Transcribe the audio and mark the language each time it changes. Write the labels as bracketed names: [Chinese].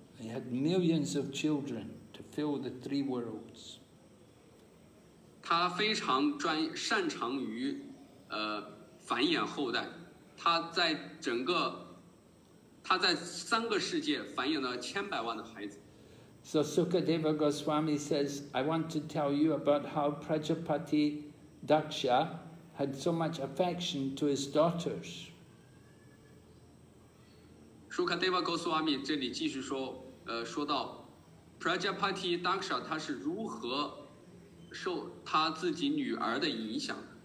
[English] He had millions of children to fill the three worlds. [Chinese] 他非常擅长于繁衍后代。他在三个世界繁衍了千百万的孩子。So [English] Sukadeva Goswami says, I want to tell you about how Prajapati Daksha had so much affection to his daughters. [Chinese] Sukadeva Goswami 这里继续说到 Prajapati Daksha 他是如何受他自己女儿的影响。